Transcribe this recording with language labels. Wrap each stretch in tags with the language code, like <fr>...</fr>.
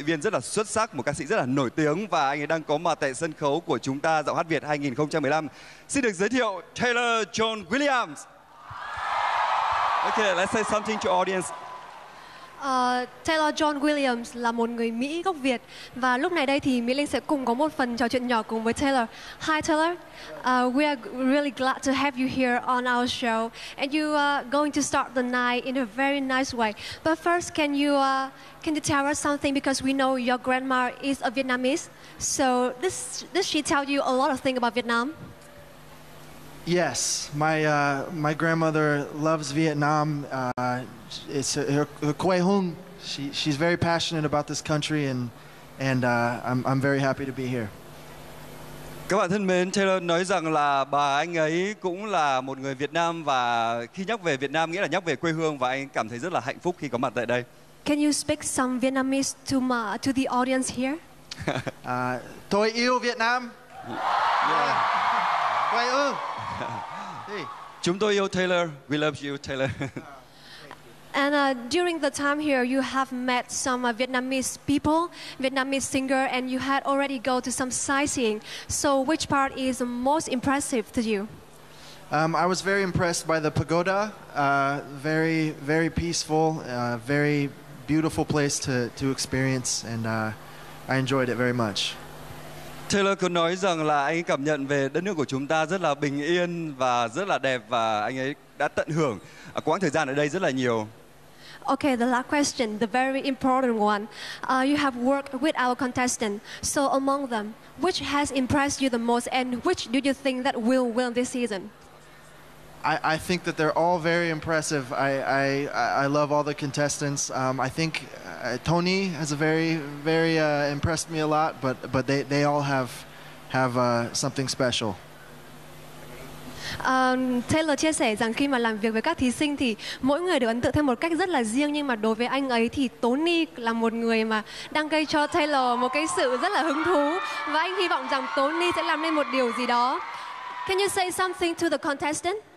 <vi>Viên rất là xuất sắc, một ca sĩ rất là nổi tiếng và anh ấy đang có mặt tại sân khấu của chúng ta Giọng Hát Việt 2015. Xin được giới thiệu Taylor John Williams.</vi> <en>Okay, let's say something to audience.</en> <vi>Taylor John Williams là một người Mỹ gốc Việt và lúc này đây thì Mỹ Linh sẽ cùng có một phần trò chuyện nhỏ cùng với Taylor.</vi> <en>Hi Taylor, we are really glad to have you here on our show and you are going to start the night in a very nice way. But first, can you tell us something, because we know your grandma is a Vietnamese. So does she tell you a lot of things about Vietnam? Yes, my grandmother loves Vietnam. It's her</en> <vi>quê hương.</vi> <en>She's very passionate about this country, and I'm very happy to be here.</en> <vi>Các bạn thân mến, Taylor nói rằng là bà anh ấy cũng là một người Việt Nam và khi nhắc về Việt Nam nghĩa là nhắc về quê hương và anh cảm thấy rất là hạnh phúc khi có mặt tại đây.</vi> <en>Can you speak some Vietnamese to the audience here?</en> <vi>Tôi yêu Việt Nam. Yeah. Quê hương. Chúng tôi yêu Taylor.</vi> <en>We love you, Taylor. And during the time here, you have met some Vietnamese people, Vietnamese singer, and you had already go to some sightseeing. So which part is most impressive to you? I was very impressed by the pagoda. Very, very peaceful, very beautiful place to experience, and I enjoyed it very much.</en> <vi>Taylor có nói rằng là anh cảm nhận về đất nước của chúng ta rất là bình yên và rất là đẹp và anh ấy đã tận hưởng quãng thời gian ở đây rất là nhiều.</vi> <en>Okay, the last question, the very important one. You have worked with our contestants. So among them, which has impressed you the most and which do you think that will win this season? I think that they're all very impressive. I love all the contestants. I think Tony has a very, very impressed me a lot, but they all have something special.</en> <vi>Taylor chia sẻ rằng khi mà làm việc với các thí sinh thì mỗi người được ấn tượng theo một cách rất là riêng, nhưng mà đối với anh ấy thì Tony là một người mà đang gây cho Taylor một cái sự rất là hứng thú và anh hy vọng rằng Tony sẽ làm nên một điều gì đó.</vi> <en>Can you say something to the contestant?</en>